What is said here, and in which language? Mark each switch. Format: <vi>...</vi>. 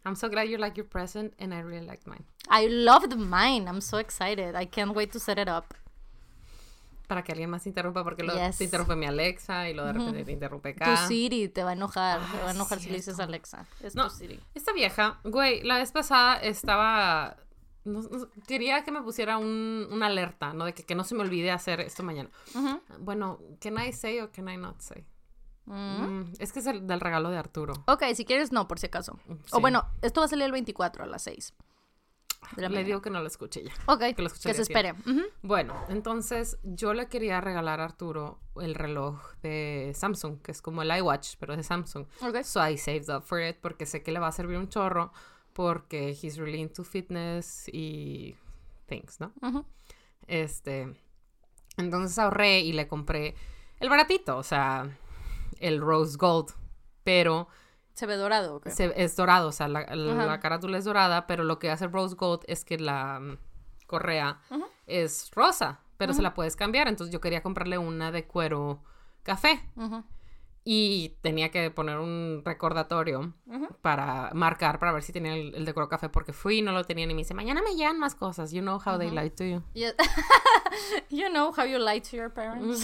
<en>I'm so glad you like your present, and I really like mine. I loved mine. I'm so excited. I can't wait to set it up.</en> <es>Para que alguien más interrumpa, porque se interrumpe mi Alexa y luego de repente te interrumpe acá. Tu Siri te va a enojar. Ah, te va a enojar si le dices Alexa. Es no, tu Siri. Esta vieja, güey, la vez pasada estaba... No, quería que me pusiera una alerta, ¿no? De que no se me olvide hacer esto mañana. Uh-huh.</es> <en>Bueno, can I say or can I not say?</en> <es>Es que es el del regalo de Arturo. Ok, si quieres no, por si acaso. Sí. O bueno, esto va a salir el 24 a las 6. Le digo que no lo escuche ya. Ok, que lo escuche. Que se espere. Uh-huh. Bueno, entonces yo le quería regalar a Arturo el reloj de Samsung, que es como el iWatch, pero de Samsung.</es> <en>Okay. So I saved up for it</en> <es>porque sé que le va a servir un chorro porque</es> <en>he's really into fitness</en> <es>y things, ¿no? Uh-huh. Entonces ahorré y le compré el baratito, o sea, el rose gold, pero... ¿Se ve dorado o qué? Es dorado, o sea, la carátula es dorada, pero lo que hace rose gold es que la correa uh-huh. es rosa, pero uh-huh. se la puedes cambiar. Entonces yo quería comprarle una de cuero café uh-huh. y tenía que poner un recordatorio uh-huh. para marcar, para ver si tenía el de cuero café, porque fui y no lo tenían y me dice, mañana me llegan más cosas.</es> <en>You know how uh-huh. they lie to you. Yeah. You know how you lie to your parents.</en>